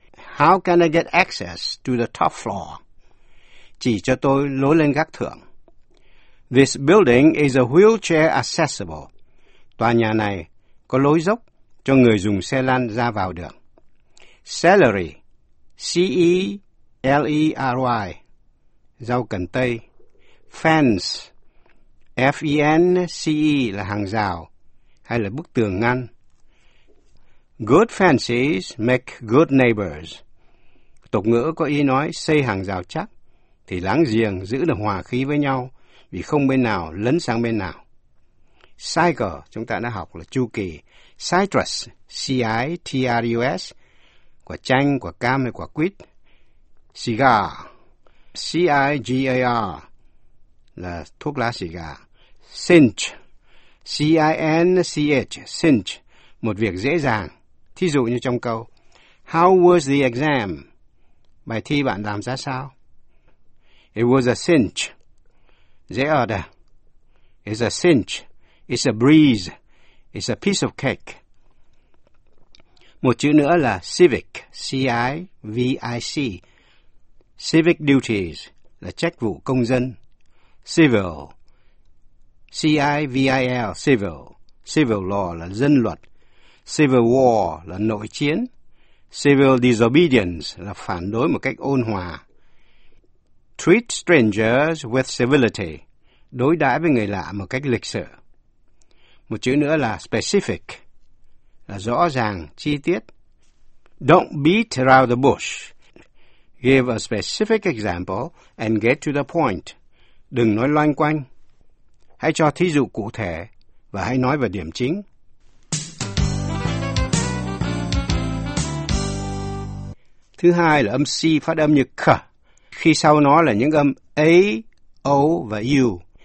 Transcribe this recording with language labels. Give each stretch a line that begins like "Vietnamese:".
English: How can I get access to the top floor?
Vietnamese: Chỉ cho tôi lối lên gác thượng.
English: This building is a wheelchair accessible.
Vietnamese: Tòa nhà này có lối dốc cho người dùng xe lăn ra vào được. Celery, C-E-L-E-R-Y, rau cần tây. Fence, F-E-N-C-E là hàng rào hay là bức tường ngăn.
English: Good fences make good neighbors.
Vietnamese: Tục ngữ có ý nói xây hàng rào chắc thì láng giềng giữ được hòa khí với nhau, vì không bên nào lấn sang bên nào. Cycle, chúng ta đã học là chu kỳ. Citrus, C-I-T-R-U-S, quả chanh, quả cam hay quả quýt. Cigar, C-I-G-A-R, là thuốc lá xì gà. Cinch, C-I-N-C-H, cinch, một việc dễ dàng. Thí dụ như trong câu,
English: how was the exam?
Vietnamese: Bài thi bạn làm ra sao?
English: It was a cinch.
Vietnamese: Dễ ợt à?
English: It's a cinch. It's a breeze. It's a piece of cake.
Vietnamese: Một chữ nữa là civic, C-I-V-I-C. Civic duties là trách vụ công dân. Civil, C-I-V-I-L, civil. Civil law là dân luật. Civil war là nội chiến. Civil disobedience là phản đối một cách ôn hòa.
English: Treat strangers with civility,
Vietnamese: đối đãi với người lạ một cách lịch sự. Một chữ nữa là specific, là rõ ràng, chi tiết.
English: Don't beat around the bush. Give a specific example and get to the point.
Vietnamese: Đừng nói loanh quanh. Hãy cho thí dụ cụ thể và hãy nói về điểm chính. Thứ hai là âm C phát âm như k, khi sau nó là những âm A, O và U.